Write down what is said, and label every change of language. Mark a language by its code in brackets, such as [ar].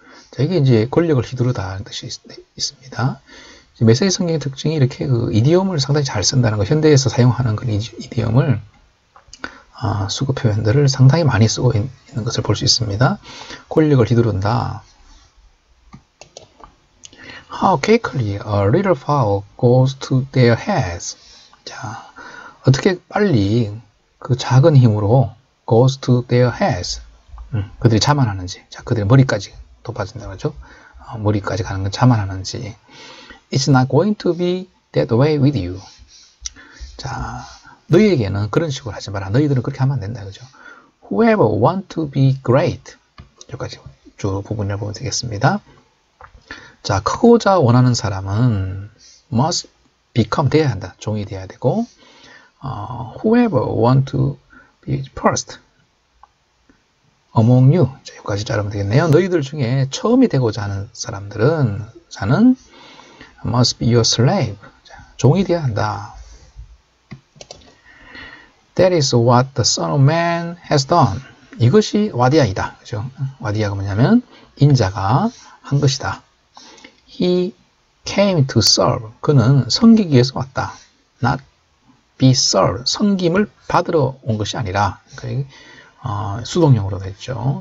[ko] 자, 이게 이제 권력을 휘두르다 하는 뜻이 있습니다. 메시지 성경의 특징이 이렇게 그 이디엄을 상당히 잘 쓴다는 거. 현대에서 사용하는 그 이디엄을 수급 표현들을 상당히 많이 쓰고 있는 것을 볼수 있습니다. 권력을 휘두른다. [en] How quickly a little fowl goes to their heads. [ko] 자, 어떻게 빨리 그 작은 힘으로 [en] goes to their heads. [ko] 그들이 자만하는지. 자, 그들의 머리까지 높아진다고 하죠. 머리까지 가는 건 자만하는지. [en] It's not going to be that way with you. [ko] 자, 너희에게는 그런 식으로 하지 마라. 너희들은 그렇게 하면 안 된다. 그죠? [en] Whoever want to be great. [ko] 여기까지 주 부분을 보면 되겠습니다. 자, 크고자 원하는 사람은 [en] must become [ko] 돼야 한다. 종이 돼야 되고. [en] Whoever want to be first. 어몽유. [ko] 자, 여기까지 자르면 되겠네요. 너희들 중에 처음이 되고자 하는 사람들은 자는 [en] must be your slave. [ko] 자, 종이 되어야 한다. [en] That is what the Son of Man has done. [ko] 이것이 와디아이다. 그죠? 와디아가 뭐냐면 인자가 한 것이다. [en] He came to serve. [ko] 그는 섬기기 위해서 왔다. [en] Not be served. [ko] 섬김을 받으러 온 것이 아니라 수동형으로 됐죠.